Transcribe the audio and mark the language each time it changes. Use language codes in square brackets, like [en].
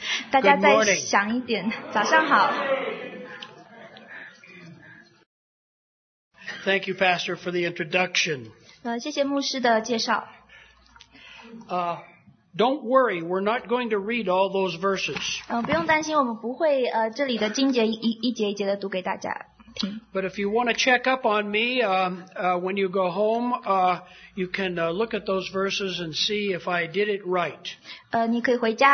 [zh] 大家再想一点，早上好。 [en] Thank you, Pastor, for the introduction. [zh] 谢谢牧师的介绍。 [en] Don't worry, we're not going to read all those verses. [zh] 不用担心，我们不会这里的经节一节一节的读给大家。 [en] But if you want to check up on me when you go home, you can look at those verses and see if I did it right.